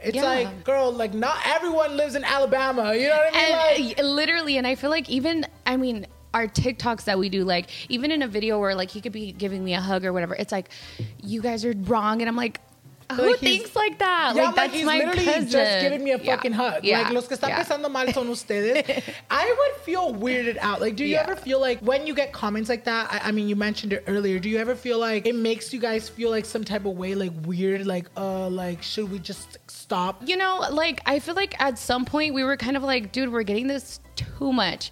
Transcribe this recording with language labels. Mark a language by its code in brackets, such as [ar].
[en] It's like, girl, like, not everyone lives in Alabama. You know what I mean? And like, literally, and I feel like even, I mean, our TikToks that we do, like, even in a video where, like, he could be giving me a hug or whatever, it's like, you guys are wrong. And I'm like, who thinks like that? Yeah, like, that's he's my literally cousin. Just giving me a fucking hug. Yeah. [es] Like, los que están pasando mal son ustedes. [en] I would feel weirded out. Like, do you ever feel like when you get comments like that, I mean, you mentioned it earlier, do you ever feel like it makes you guys feel like some type of way, like weird, like should we just stop? You know, like, I feel like at some point we were kind of like, dude, we're getting this too much.